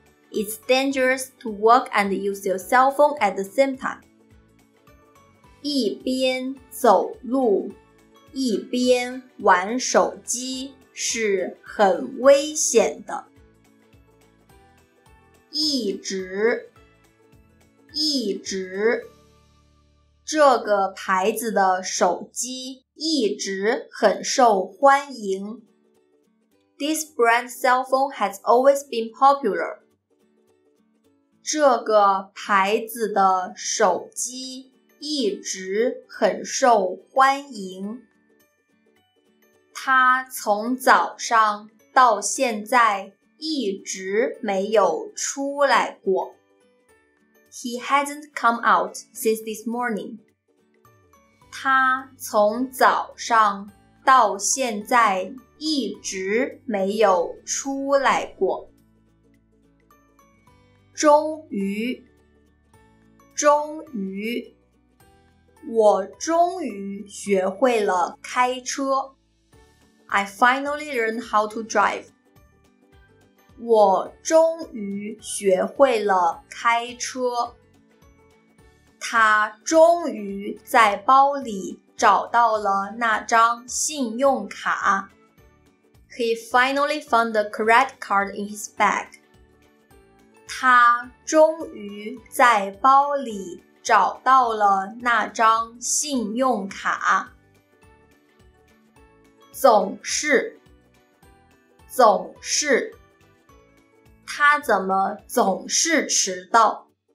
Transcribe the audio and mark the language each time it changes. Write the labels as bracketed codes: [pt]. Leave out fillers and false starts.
[en] It's dangerous to walk and use your cell phone at the same time. [zh] 一边走路，一边玩手机是很危险的。一直，一直，这个牌子的手机一直很受欢迎。 [en] This brand cell phone has always been popular. [zh] 这个牌子的手机一直很受欢迎。他从早上到现在一直没有出来过。 [en] He hasn't come out since this morning. [zh] 他从早上到现在一直没有出来过。终于，终于，我终于学会了开车。 [en] I finally learned how to drive. [zh] 我终于学会了开车。他终于在包里找到了那张信用卡。 [en] He finally found the credit card in his bag. [zh] 他终于在包里找到了那张信用卡。总是，总是，他怎么总是迟到？